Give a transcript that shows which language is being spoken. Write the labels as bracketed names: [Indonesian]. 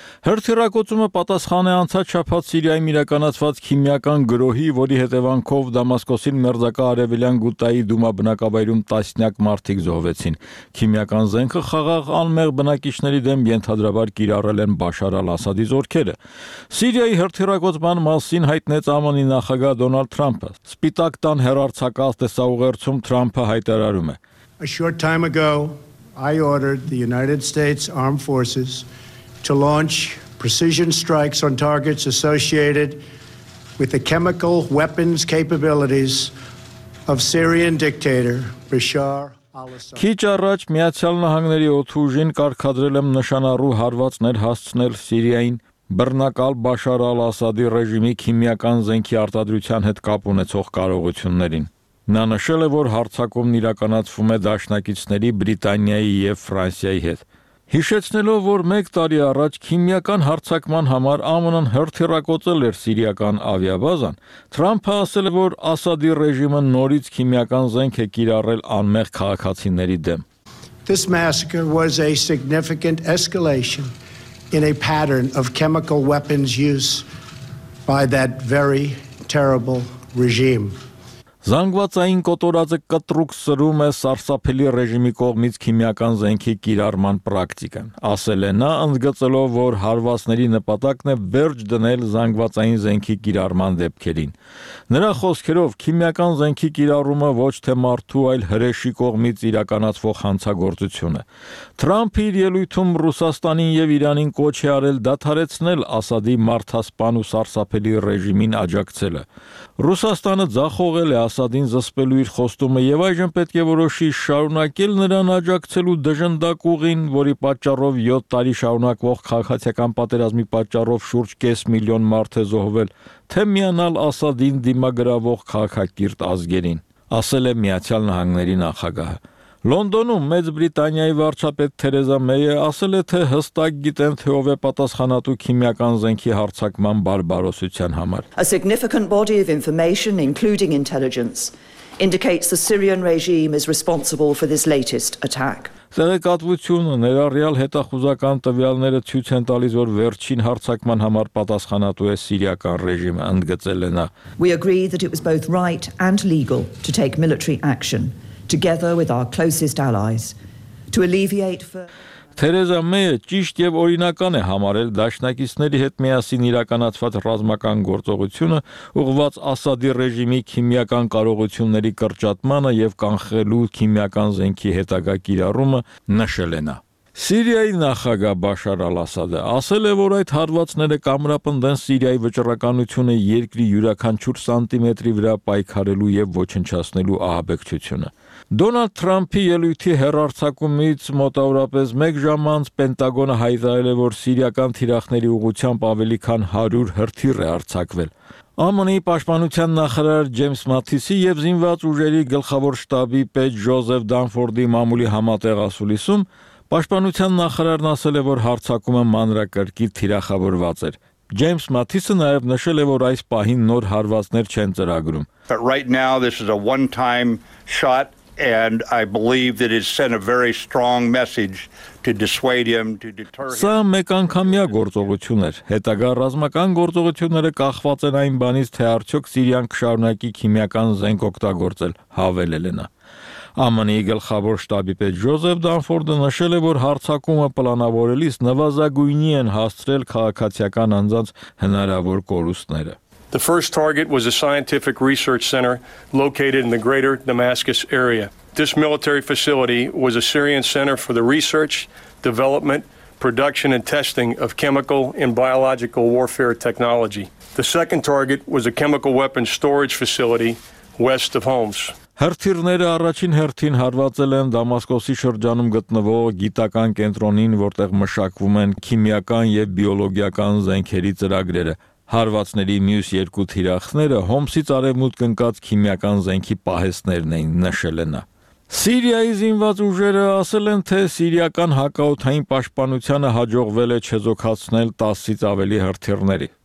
[Armenian] Հրթիռակոծումը պատասխան է անցած շաբաթ Սիրիայում իրականացված քիմիական գրոհի, որի հետևանքով Դամասկոսին մերձակա արևելյան Գուտայի դումա բնակավայրում տասնյակ մարդիկ զոհվեցին։ Քիմիական զենքը խաղաղ անմեղ բնակիչների դեմ ենթադրաբար կիրառել են Բաշար ալ-Ասադի զորքերը։ Սիրիայի հրթիռակոծման մասին հայտնեց ԱՄՆ նախագահ Դոնալդ Թրամփը։ Սպիտակ տան հերարցակալ տեսաուղերցում Թրամփը հայտարարում է. [English] A short time ago, I ordered the United States Armed Forces to launch precision strikes on targets associated with the chemical weapons capabilities of Syrian dictator Bashar al-Assad. [Armenian] Քիչ առաջ Միացյալ Նահանգների օդուժին կարգադրել եմ նշանառու հարվածներ հասցնել Սիրիային բռնակալ Բաշար ալ-Ասադի ռեժիմի քիմիական զենքի արտադրության հետ կապ ունեցող կարողություններին։ Նա նշել է, որ հարձակումն իրականացվում է դաշնակիցների Բրիտանիայի և Ֆրանսիայի հետ։ Հիշեցնելով, որ մեկ տարի առաջ քիմիական հարձակման համար ԱՄՆ-ն հրթիռակոծել էր սիրիական ավիաբազան, Թրամփը ասել է, որ Ասադի ռեժիմը նորից քիմիական զենք է կիրառել անմեղ քաղաքացիների դեմ։ [English] This massacre was a significant escalation in a pattern of chemical weapons use by that very terrible regime. [Armenian] Զանգվածային կոտորածը կտրուկ սրում է սարսափելի ռեժիմի կողմից քիմիական զենքի կիրառման պրակտիկան, ասել է նա, ընդգծելով, որ հարվածների նպատակն է վերջ դնել զանգվածային զենքի կիրառման դեպքերին։ Նրա խոսքերով քիմիական զենքի կիրառումը ոչ թե մարդու, այլ հրեշի կողմից իրականացվող հանցագործություն է։ Թրամփ իր ելույթում Ռուսաստանին և Իրանին կոչ է արել դադարեցնել Ասադի մարդասպան ու սարսափելի ռեժիմին աջակցելը։ Ռուսաստանը ձախողել է Ասադին զսպելու իր խոստումը և այժմ պետք է որոշի շարունակել նրան աջակցելու դժնդակ ուղին, որի պատճառով 7 տարի շարունակվող քաղաքացիական պատերազմի պատճառով շուրջ 500,000 մարդ է զոհվել, թե միանալ Ասադին դիմագրավող քաղաքակիրթ ազգերին, ասել է Միացյալ Նահանգների նախագահը։ Լոնդոնում Մեծ Բրիտանիայի վարչապետ Թերեզա Մեյը ասել է, թե հստակ գիտեն, թե ով է պատասխանատու քիմիական զենքի հարձակման բարբարոսության համար։ [English] A significant body of information, including intelligence, indicates the Syrian regime is responsible for this latest attack. [Armenian] Տեղեկատվությունը ներառյալ հետախուզական տվյալները ցույց են տալիս, որ վերջին հարձակման համար պատասխանատու է սիրիական ռեժիմը, ընդգծել է նա։ [English] We agree that it was both right and legal to take military action together with our closest allies to alleviate for [Armenian] Թերեզա Մեյը ճիշտ եւ օրինական է համարել դաշնակիցների հետ միասին իրականացված ռազմական գործողությունը, ուղղված Ասադի ռեժիմի քիմիական կարողությունների կրճատմանը եւ կանխելու քիմիական զենքի հետագա կիրառումը, նշել է նա։ Սիրիայի նախագահ Բաշար ալ-Ասադը ասել է, որ այդ հարվածները կամրապնդեն Սիրիայի վճռականությունը երկրի յուրաքանչյուր սանտիմետրի վրա պայքարելու եւ ոչնչացնելու ահաբեկչությունը։ Դոնալդ Թրամփի ելույթի հեռարձակումից մոտավորապես 1 ժամ անց Պենտագոնը հայտարարել է, որ սիրիական թիրախների ուղղությամբ ավելի քան 100 հրթիռ է արձակվել։ ԱՄՆ-ի պաշտպանության նախարար Ջեյմս Մաթիսի և զինված ուժերի գլխավոր շտաբի պետ Ժոզեֆ Դանֆորդի մամուլի համատեղ ասուլիսում պաշտպանության նախարարն ասել է, որ հարձակումը մանրակրկիտ թիրախավորված էր։ Ջեյմս Մաթիսը նաև նշել է, որ այս պահին նոր հարվածներ չեն ծրագրում։ [English] But right now this is a one-time shot and I believe that it sent a very strong message to dissuade him, to deter him. [Armenian] Սա մեկ անգամյա գործողություն էր։ Հետագա ռազմական գործողությունները կախված են այն բանից, թե արդյոք Սիրիան կշարունակի քիմիական զենք օգտագործել, հավելել է նա։ ԱՄՆ-ի գլխավոր շտաբի պետ Ժոզեֆ Դանֆորդը նշել է, որ հարձակումը պլանավորելիս նվազագույնի են հասցրել քաղաքացիական անձանց հնարավոր կորուստները։ [English] The first target was a scientific research center located in the greater Damascus area. This military facility was a Syrian center for the research, development, production and testing of chemical and biological warfare technology. The second target was a chemical weapons storage facility west of Homs. [Armenian] Հրթիռները առաջին հերթին հարվածել են Դամասկոսի շրջանում գտնվող գիտական կենտրոնին, որտեղ մշակվում են քիմիական և բիոլոգիական զենքերի ծրագրերը։ Հարվածների մյուս երկու թիրախները Հոմսից արևմուտք ընկած քիմիական զենքի պահեստներն էին, նշել են նա։ Սիրիայի զինված ուժերը ասել են, թե սիրիական հակաօդային պաշտպանությունը հաջողվել է չեզոքացնել 10-ից ավելի հրթիռների։